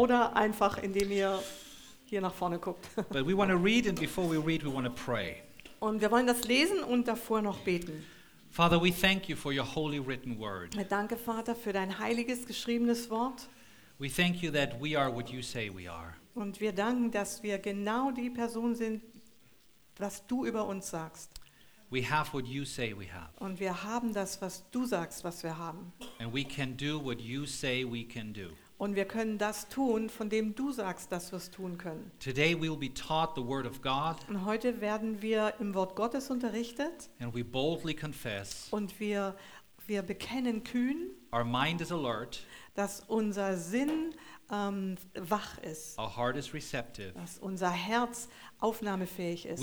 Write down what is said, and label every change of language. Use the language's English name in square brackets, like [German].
[German] Oder einfach indem ihr hier nach vorne guckt. [English] But we want to read, and before we read, we want to pray. [German] Und wir wollen das lesen und davor noch beten. [English] Father, we thank you for your holy written word. [German] Danke, Vater, für dein heiliges geschriebenes Wort. [English] We thank you that we are what you say we are. [German] Und wir danken, dass wir genau die Person sind, was du über uns sagst. [English] We have what you say we have. [German] Und wir haben das, was du sagst, was wir haben. [English] And we can do what you say we can do. [German] Und wir können das tun, von dem du sagst, dass wir es tun können. [English] Today we will be taught the word of God. [German] Und heute werden wir im Wort Gottes unterrichtet. [English] And we boldly confess. [German] Und wir bekennen kühn. [English] Our mind is alert. [German] Dass unser Sinn wach ist. [English] Our heart is receptive. [German] Dass unser Herz aufnahmefähig ist.